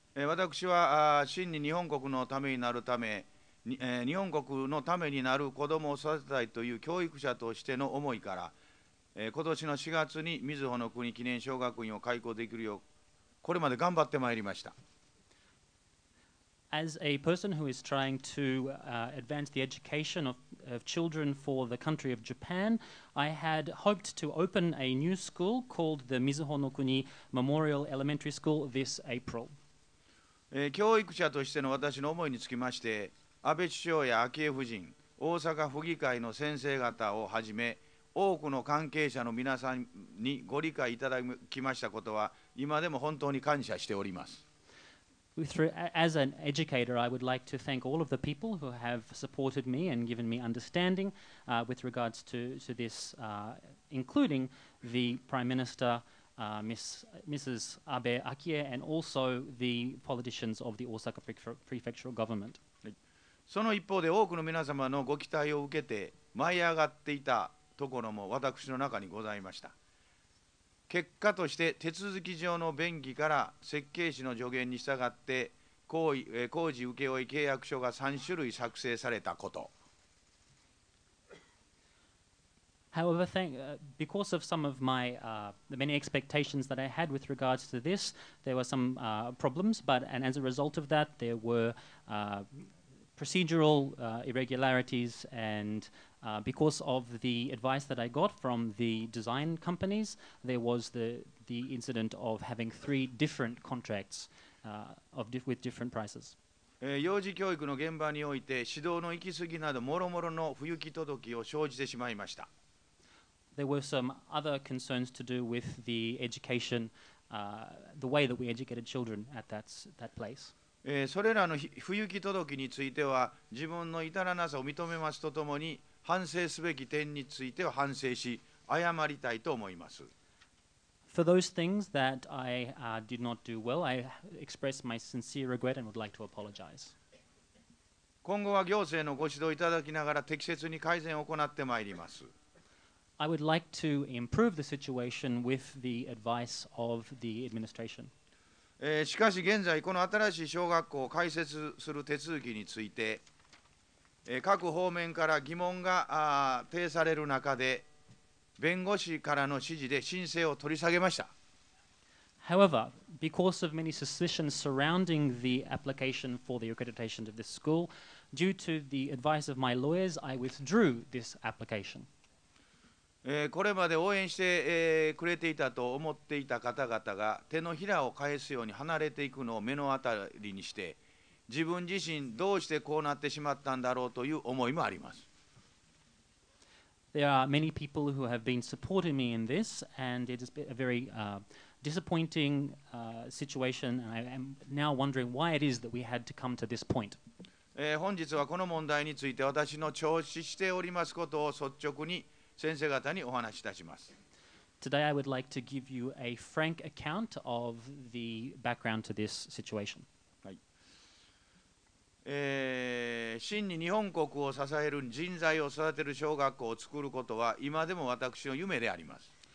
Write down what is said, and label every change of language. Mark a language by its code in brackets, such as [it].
[ja] 私は真に日本国のためになるため、日本国のためになる子どもを育てたいという教育者としての思いから、今年の4月にみずほの国記念小学院を開校できるよう、これまで頑張ってまいりました。 [en] As a person who is trying to advance the education of children for the country of Japan, I had hoped to open a new school called the Mizuho no Kuni Memorial Elementary School this April. [ja] 教育者としての私の思いにつきまして、安倍首相や昭恵夫人、大阪府議会の先生方をはじめ、多くの関係者の皆さんにご理解いただきましたことは、今でも本当に感謝しております。 [en] As an educator, I would like to thank all of the people who have supported me and given me understanding with regards to this, including the Prime Minister, Mrs. Abe Akie, and also the politicians of the Osaka Prefectural Government. [ja] その一方で多くの皆様のご期待を受けて舞い上がっていたところも私の中にございました。結果として手続き上の便宜から設計士の助言に従って工事請負契約書が3種類作成されたこと。 [en] However, because of some of my the many expectations that I had with regards to this, there were some problems, but and as a result of that, there were procedural irregularities andBecause of the advice that I got from the design companies, there was the incident of having three different contracts with different prices. [ja] 幼児教育の現場において指導の行き過ぎなど諸々の不行き届きを生じてしまいました。 [en] There were some other concerns to do with the education, the way that we educated children at that place. [ja] それらの不行き届きについては自分の至らなさを認めますとともに反省すべき点については反省し謝りたいと思います。 [en] For those things that I did not do well, I express my sincere regret and would like to apologize. [ja] 今後は行政のご指導いただきながら適切に改善を行ってまいります。 [en] I would like to improve the situation with the advice of the administration. [ja] しかし現在この新しい小学校を開設する手続きについて、各方面から疑問が呈される中で、弁護士からの指示で申請を取り下げました。 [en] However, because of many suspicions surrounding the application for the accreditation of this school, due to the advice of my lawyers, I withdrew this application. [ja] これまで応援してくれていたと思っていた方々が手のひらを返すように離れていくのを目の当たりにして、自分自身どうしてこうなってしまったんだろうという思いもあります。 [en] There are many people who have been supporting me in this, and it is a very disappointing situation. And I am now wondering why it is that we had to come to this point. [ja] 本日はこの問題について私の聴取しておりますことを率直に先生方にお話しいたします。 [en] Today I would like to give you a frank account of the background to this situation. [ja] はい。真に日本国を支える人材を育てる小学校を作ることは今でも私の夢であります。